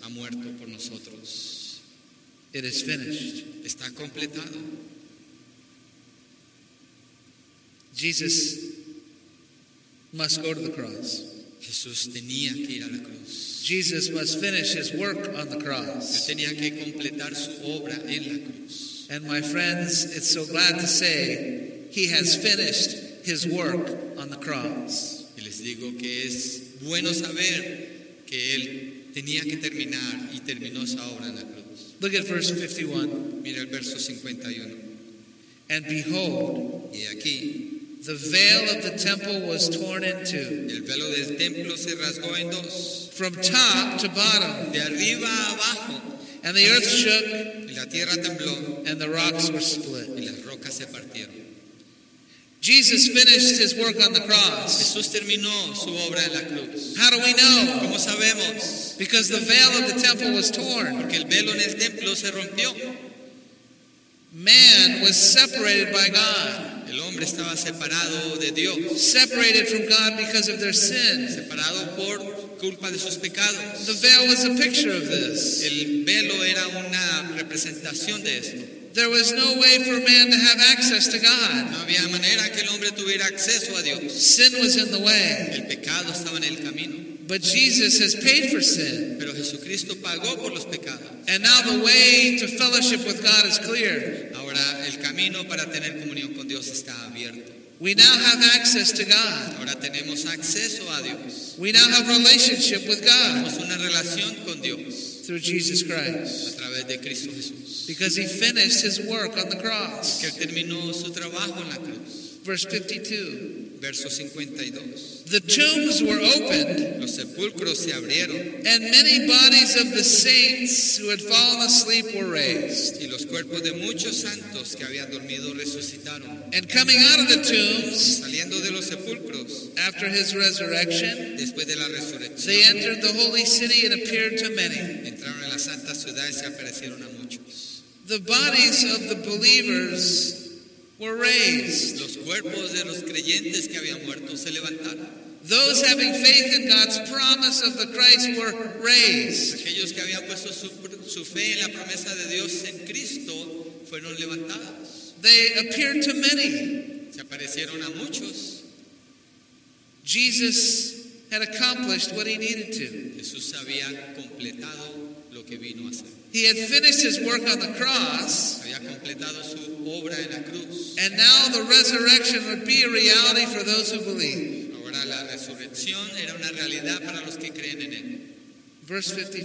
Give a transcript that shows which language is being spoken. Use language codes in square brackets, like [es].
[es] Ha muerto por nosotros. [en] It is finished. [es] Está completado. [en] Jesus must go to the cross. [es] Jesús tenía que ir a la cruz. [en] Jesus must finish his work on the cross. [es] Él tenía que completar su obra en la cruz. [en] And my friends, it's so glad to say he has finished his work on the cross. [es] Y les digo que es bueno saber que él tenía que terminar y terminó esa obra en la cruz. [en] Look at verse 51. [es] Mira el verso 51. [en] And behold, [es] y aquí, [en] the veil of the temple was torn in two. [es] El velo del templo se rasgó en dos. [en] From top to bottom. [es] De arriba a abajo. [en] And the earth shook. [es] Y la tierra tembló. [en] And the rocks were split. [es] Y las rocas se partieron. [en] Jesus finished his work on the cross. [es] Jesús terminó su obra en la cruz. [en] How do we know? [es] ¿Cómo sabemos? [en] Because the veil of the temple was torn. [es] Porque el velo en el templo se rompió. [en] Man was separated by God. [es] El hombre estaba separado de Dios. [en] Separated from God because of their sin. [es] Separado por culpa de sus pecados. [en] The veil was a picture of this. [es] El velo era una representación de esto. [en] There was no way for man to have access to God. [es] No había manera que el hombre tuviera acceso a Dios. [en] Sin was in the way. [es] El pecado estaba en el camino. [en] But Jesus has paid for sin. [es] Pero Jesucristo pagó por los pecados. [en] And now the way to fellowship with God is clear. [es] Ahora el camino para tener comunión con Dios está abierto. [en] We now have access to God. [es] Ahora tenemos acceso a Dios. [en] We now have relationship with God. [es] Tenemos una relación con Dios. [en] Through Jesus Christ. [es] A través de Cristo Jesús. [en] Because he finished his work on the cross. [es] Que él terminó su trabajo en la cruz. [en] Verse 52. [es] Verso 52. [en] The tombs were opened. [es] Los sepulcros se abrieron. [en] And many bodies of the saints who had fallen asleep were raised. [es] Y los cuerpos de muchos santos que habían dormido resucitaron. [en] And coming out of the tombs, [es] saliendo de los sepulcros, [en] after his resurrection, [es] después de la resurrección, [en] they entered the holy city and appeared to many. [es] Entraron en la santa ciudad y se aparecieron a muchos. [en] the bodies of the believers were raised. [es] Los cuerpos de los creyentes que habían muerto se levantaron. [en] Those having faith in God's promise of the Christ were raised. [es] Aquellos que habían puesto su fe en la promesa de Dios en Cristo fueron levantados. [en] They appeared to many. [es] Se aparecieron a muchos. [en] Jesus had accomplished what he needed to. [es] Jesús había completado lo que vino a hacer. [en] He had finished his work on the cross. [es] Había completado su obra en la cruz. [en] And now the resurrection would be a reality for those who believe. [es] La resurrección era una realidad para los que creen en él.